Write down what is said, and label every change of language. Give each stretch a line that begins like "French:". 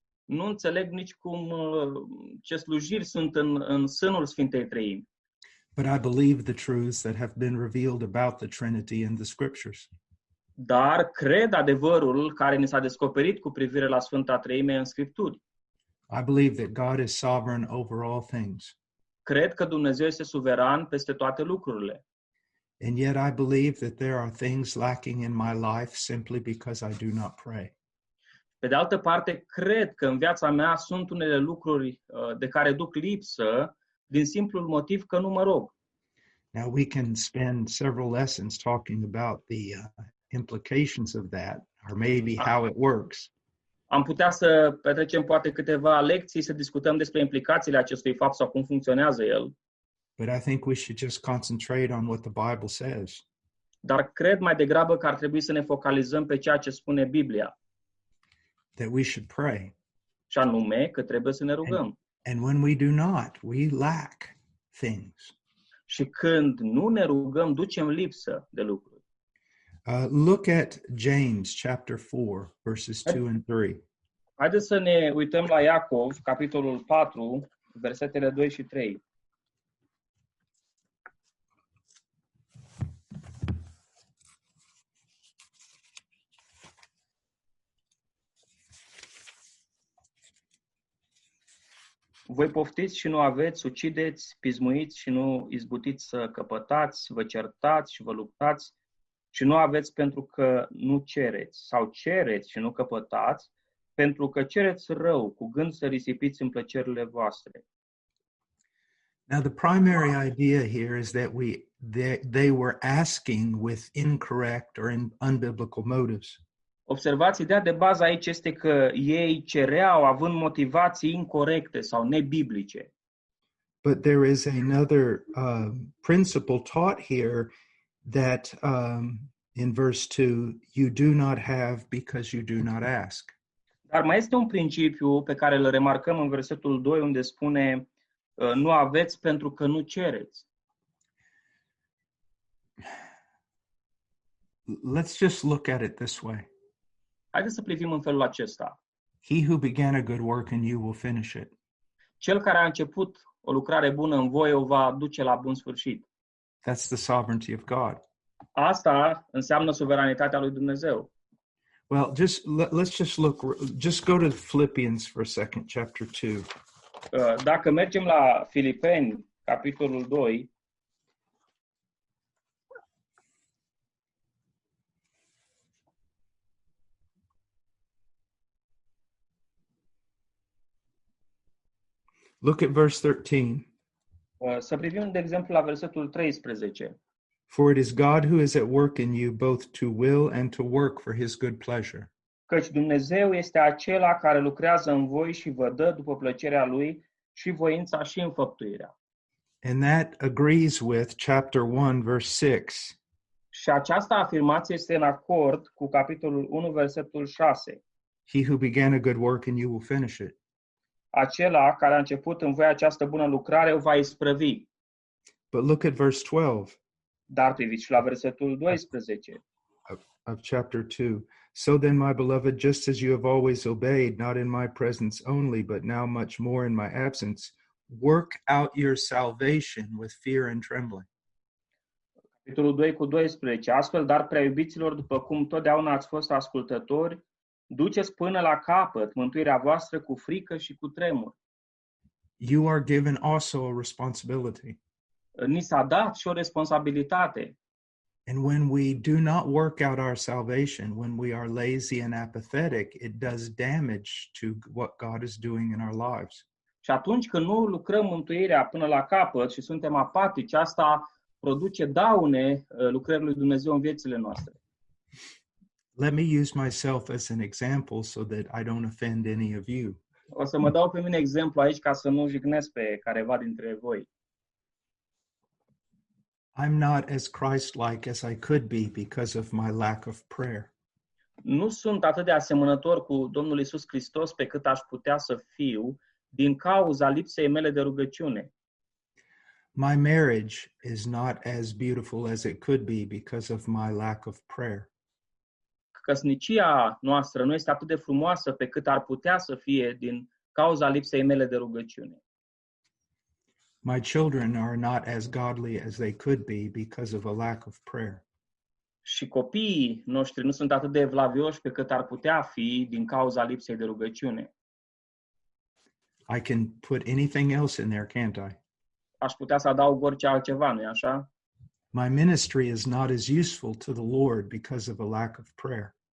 Romanian: Nu înțeleg nici cum ce slujiri sunt în sânul Sfintei Treimi.
English: But I believe the truths that have been revealed about the Trinity in the Scriptures.
Romanian: Dar cred adevărul care ne s-a descoperit cu privire la Sfânta Treime în Scripturi.
English: I believe that God is sovereign over all things.
Romanian: Cred că Dumnezeu este suveran peste toate lucrurile.
English: And yet I believe that there are things lacking in my life simply because I do not pray.
Romanian: Pe de altă parte, cred că în viața mea sunt unele lucruri de care duc lipsă din simplul motiv că nu mă rog.
English: Now we can spend several lessons talking about the implications of that, or maybe how it works.
Romanian: Am putea să petrecem poate câteva lecții, să discutăm despre implicațiile acestui fapt sau cum funcționează el.
English: But I think we should just concentrate on what the Bible says.
Romanian: Dar cred mai degrabă că ar trebui să ne focalizăm pe ceea ce spune Biblia.
English: That we should pray.
Romanian: Și anume că trebuie să ne rugăm.
English: And when we do not, we lack things.
Romanian: Și când nu ne rugăm, ducem lipsă de lucruri.
English: Look at James chapter 4, verses 2 and 3.
Romanian: Haideți să ne uităm la Iacov, capitolul 4, versetele 2 și 3. Voi poftiți și nu aveți, ucideți, pismuiți și nu izbutiți să căpătați, vă certați și vă luptați, și nu aveți pentru că nu cereți, sau cereți și nu căpătați, pentru că cereți rău, cu gând să risipiți în plăcerile voastre.
English: Now the primary idea here is that they were asking with incorrect or unbiblical motives.
Romanian: Observați, ideea de bază aici este că ei cereau având motivații incorrecte sau nebiblice.
English: But there is another principle taught here that in verse 2 you do not have because you do not ask.
Romanian: Dar mai este un principiu pe care îl remarcăm în versetul 2 unde spune nu aveți pentru că nu cereți.
English: Let's just look at it this way.
Romanian: Haideți să privim în felul acesta.
English: He who began a good work in you will finish it.
Romanian: Cel care a început o lucrare bună în voi o va duce la bun sfârșit.
English: That's the sovereignty of God.
Romanian: Asta înseamnă suveranitatea lui Dumnezeu.
English: Well, let's just go to Philippians for a second, chapter 2.
Romanian: Dacă mergem la Filipeni, capitolul 2,
English: look at verse 13.
Romanian: Să privim, de exemplu, la versetul 13.
English: For it is God who is at work in you both to will and to work for his good pleasure.
Romanian: Căci Dumnezeu este acela care lucrează în voi și vă dă după plăcerea lui și voința și înfăptuirea.
English: And that agrees with chapter 1, verse 6.
Romanian: Și această afirmație este în acord cu capitolul 1, versetul 6.
English: He who began a good work in you will finish it.
Romanian: Acela care a început în voi această bună lucrare o va isprăvi.
English: But look at verse 12.
Romanian: Dar priviți la versetul 12.
English: Of chapter 2. So then, my beloved, just as you have always obeyed, not in my presence only, but now much more in my absence, work out your salvation with fear and trembling.
Romanian: Capitolul 2 cu 12. Astfel, dar prea iubiților, după cum totdeauna ați fost ascultători, duceți până la capăt mântuirea voastră cu frică și cu tremur.
English: You are given also a responsibility.
Romanian: Ni s-a dat și o responsabilitate.
English: And when we do not work out our salvation, when we are lazy and apathetic, it does damage to what God is doing in our lives.
Romanian: Și atunci când nu lucrăm mântuirea până la capăt și suntem apatici, asta produce daune lucrării lui Dumnezeu în viețile noastre.
English: Let me use myself as an example so that I don't offend any of you.
Romanian: O să mă dau pe mine exemplu aici ca să nu jignesc pe careva dintre voi.
English: I'm not as Christ-like as I could be because of my lack of prayer.
Romanian: Nu sunt atât de asemănător cu Domnul Iisus Hristos pe cât aș putea să fiu din cauza lipsei mele de rugăciune.
English: My marriage is not as beautiful as it could be because of my lack of prayer.
Romanian: Căsnicia noastră nu este atât de frumoasă pe cât ar putea să fie din cauza lipsei mele de rugăciune.
English: My children are not as godly as they could be because of a lack of prayer.
Romanian: Și copiii noștri nu sunt atât de evlavioși pe cât ar putea fi din cauza lipsei de rugăciune.
English: I can put anything else in there, can't I?
Romanian: Aș putea să adaug orice altceva, nu-i așa?
English: My ministry is not as useful to the Lord because of a lack of prayer.